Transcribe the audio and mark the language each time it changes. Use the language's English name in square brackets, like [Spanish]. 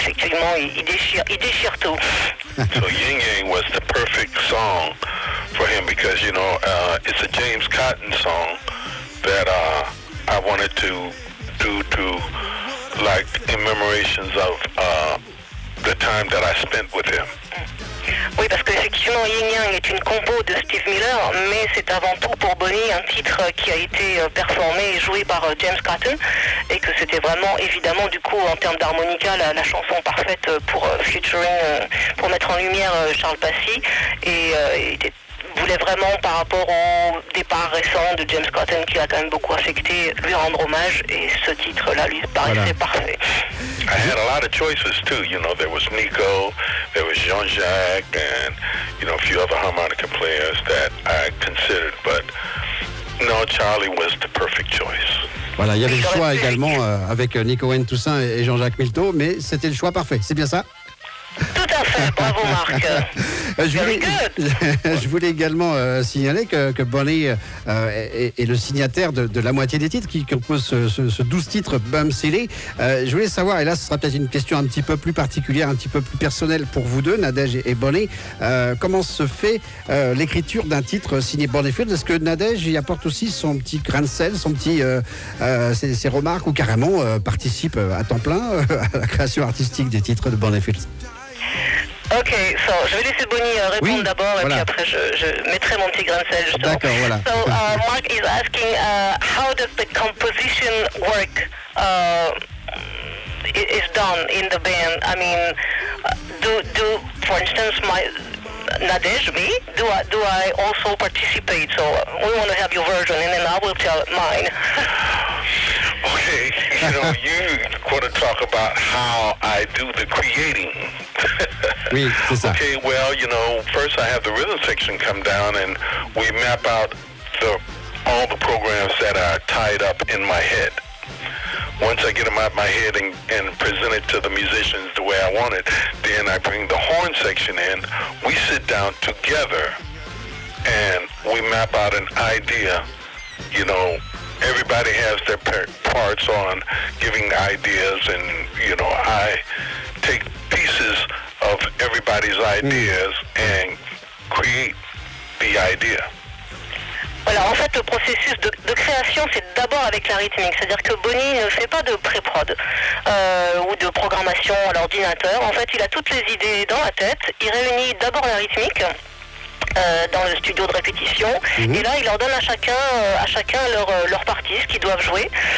[French] Effectivement, il déchire tout. [English] So Yin Yang was the perfect song for him, because you know it's a James Cotton song that I wanted to do to like in memorations of the time that I spent with him. [French] Oui, parce que effectivement Yin Yang est une compo de Steve Miller, mais c'est avant tout pour Bonnie un titre qui a été performé et joué par James Cotton, et que c'était vraiment évidemment du coup en termes d'harmonica la chanson parfaite pour featuring pour mettre en lumière Charles Pazzi, et était voulait vraiment, par rapport au départ récent de James Cotton, qui l'a quand même beaucoup affecté, lui rendre hommage, et ce titre-là lui paraissait parfait. [English] I had a lot of choices too, you know, there was Nico, there was Jean-Jacques, and, you know, a few other harmonica players that I considered, but no, Charlie was the perfect choice. [French] Voilà, il y avait le choix également avec Nico N. Toussaint et Jean-Jacques Milteau, mais c'était le choix parfait, c'est bien ça? Tout à fait, bravo Marc. Je voulais également signaler que Bonnie est le signataire de la moitié des titres qui compose ce 12 titres Bump City. Je voulais savoir, et là ce sera peut-être une question un petit peu plus particulière, un petit peu plus personnelle pour vous deux, Nadège et Bonnie, comment se fait l'écriture d'un titre signé Bonnie Field? Est-ce que Nadège y apporte aussi son petit grain de sel, son petit ses remarques, ou carrément participe à temps plein à la création artistique des titres de Bonnie Field? [English] Ok, so, [French] je vais laisser Bonnie répondre d'abord, et puis après je mettrai mon petit grain de sel. D'accord, voilà. [English] So Mark is asking, how does the composition work is done in the band? I mean, do for instance my Nadej, me, do I also participate? So we want to have your version, and then I will tell mine. Okay, you know, you want to talk about how I do the creating. [French] Oui, c'est ça. [English] Okay, well, you know, first I have the rhythm section come down, and we map out all the programs that are tied up in my head. Once I get them out of my head and present it to the musicians the way I want it, then I bring the horn section in. We sit down together, and we map out an idea, you know. Everybody has their parts on giving ideas, and you know, I take pieces of everybody's ideas and create the idea. [French] Voilà, en fait, le processus de création, c'est d'abord avec la rythmique. C'est-à-dire que Bonnie ne fait pas de pré-prod ou de programmation à l'ordinateur. En fait, il a toutes les idées dans la tête. Il réunit d'abord la rythmique. dans le studio de répétition. Mmh. Et là, il leur donne à chacun leur partie, ce qu'ils doivent jouer.